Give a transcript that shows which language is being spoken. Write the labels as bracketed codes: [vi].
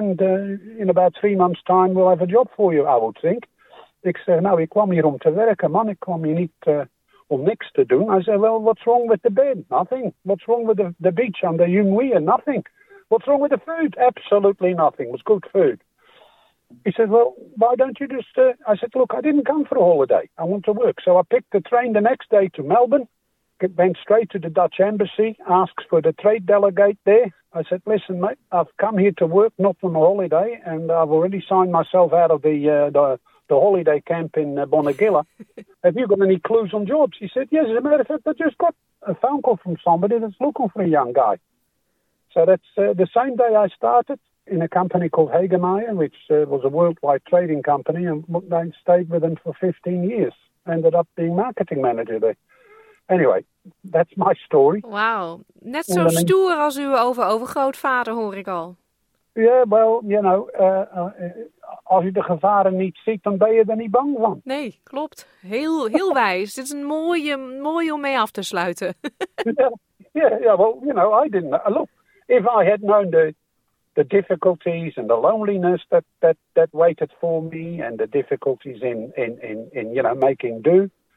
[en] And in about 3 months time we'll have a job for you, I would think. [nl] Ik zeg, nou, ik kwam hier om te werken, man. Ik kwam hier niet om niks te doen. [en] I said, well, what's wrong with the bed? Nothing. What's wrong with the beach on the Yungwea? Nothing. What's wrong with the food? Absolutely nothing. It was good food. He said, well, why don't you just... I said, look, I didn't come for a holiday. I want to work. So I picked the train the next day to Melbourne. went straight to the Dutch embassy, asked for the trade delegate there. I said, listen, mate, I've come here to work, not for my holiday, and I've already signed myself out of the holiday camp in Bonegilla. Have you got any clues on jobs? He said, yes, as a matter of fact, I just got a phone call from somebody that's looking for a young guy. So that's the same day I started in a company called Hagemeyer, which was a worldwide trading company, and I stayed with them for 15 years. Ended up being marketing manager there. Anyway, that's my story. Wow. [nl] Net zo stoer als uw overgrootvader, hoor ik al. [en] Yeah, well, you know, [nl] als je de gevaren niet ziet, dan ben je er niet bang van. Nee, klopt. Heel, heel wijs. Dit is een mooie om mee af te sluiten. [en] Well, you know, I didn't. Look, if I had known the difficulties and the loneliness that waited for me and the difficulties in you know, making do.